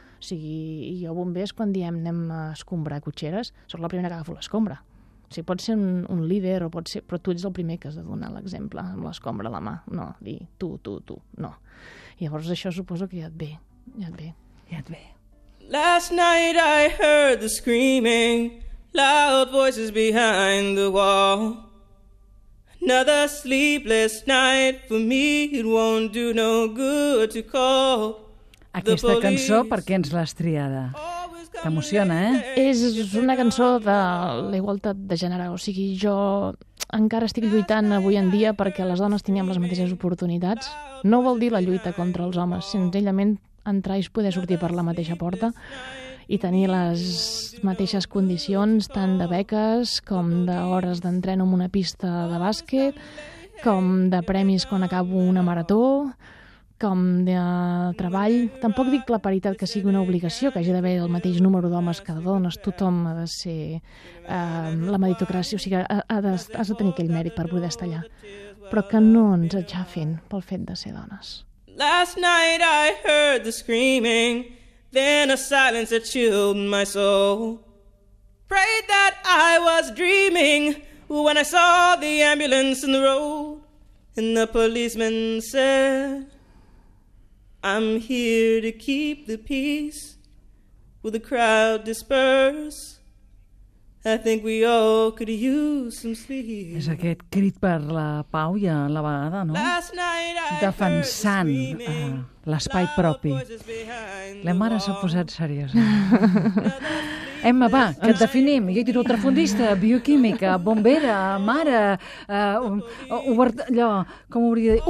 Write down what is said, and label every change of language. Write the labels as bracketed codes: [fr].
[ca] O sigui, jo, bombers, quan diem anem a escombrar cotxeres, sóc la primera que agafo l'escombra. O sigui, pots ser un líder, o pot ser, però tu ets el primer que has de donar l'exemple amb l'escombra a la mà. No, dir tu, no. Llavors això suposo que ja et ve. [en] Last night I heard the screaming, loud voices behind the wall. Another sleepless night for me, it won't do no good to call. [ca] Aquesta cançó, per què ens l'has triada? T'emociona, eh? És una cançó de la igualtat de gènere. O sigui, jo encara estic lluitant avui en dia perquè les dones tinguem les mateixes oportunitats. No vol dir la lluita contra els homes, senzillament entrar i poder sortir per la mateixa porta i tenir les mateixes condicions, tant de beques com d'hores d'entreno en una pista de bàsquet, com de premis quan acabo una marató... com de treball. Tampoc dic la paritat que sigui una obligació, que hagi d'haver el mateix número d'homes que de dones. Tothom ha de ser la meritocràcia, o sigui, has de tenir aquell mèrit per poder estar allà. Però que no ens aixafin pel fet de ser dones. [en] Last night I heard the screaming, then a silence that chilled my soul. Prayed that I was dreaming when I saw the ambulance in the road. And the policeman said... I'm here to keep the peace. Will the crowd disperse? I think we all could use some sleep. [ca] És aquest crit per la pau i a la vegada, no? Defensant l'espai propi. La mare s'ha posat seriosa. Emma, va, que et definim. Jo he dit ultrafondista, bioquímica, bombera, mare, allò, com hauria de dir?